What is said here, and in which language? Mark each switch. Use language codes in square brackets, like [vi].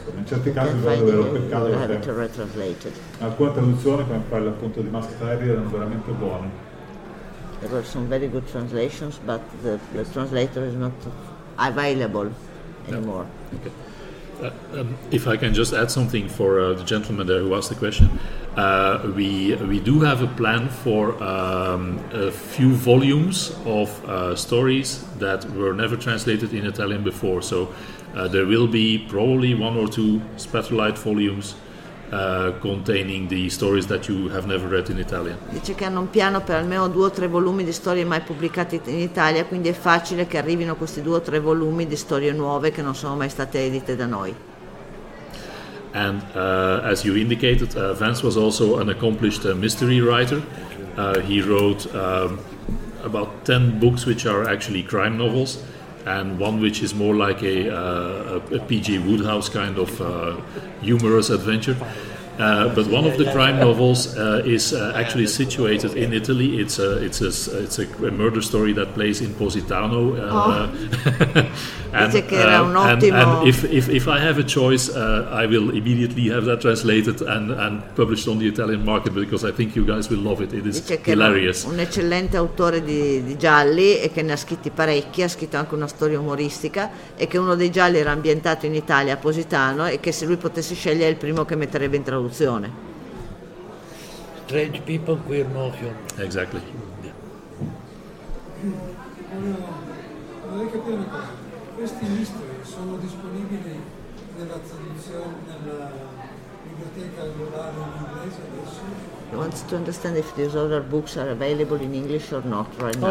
[it] Insomma, in certi casi davvero peccato, perché alcune traduzioni, come quella appunto di Mask Tyree, erano veramente buone. [en] There were some very good translations, but the translator is not available anymore. If I can just add something for the gentleman there who asked the question, we do have a plan for a few volumes of stories that were never translated in Italian before. So there will be probably one or two Spectralite volumes containing the stories that you have never read in Italian. [it] Dice che hanno un piano per almeno due o tre volumi di storie mai pubblicate in Italia, quindi è facile che arrivino questi due o tre volumi di storie nuove che non sono mai state edite da noi. [en] And as you indicated, Vance was also an accomplished mystery writer. He wrote about 10 books which are actually crime novels, and one which is more like a P.G. Woodhouse kind of humorous adventure. But one of the crime novels is actually situated in Italy. It's a murder story that plays in Positano. And if I have a choice, I will immediately have that translated and published on the Italian market, because I think you guys will love it. It is hilarious. [it] Un eccellente autore di gialli, e che ne ha scritti parecchi, ha scritto anche una storia umoristica, e che uno dei gialli era ambientato in Italia, a Positano, e che se lui potesse scegliere è il primo che metterebbe in traduzione. [en] Strange people, queer motion. Exactly. [it] Vorrei capire una cosa. Questi mystery sono disponibili nella traduzione, nella biblioteca globale in inglese adesso? [en] He wants to understand if these other books are available in English or not right now.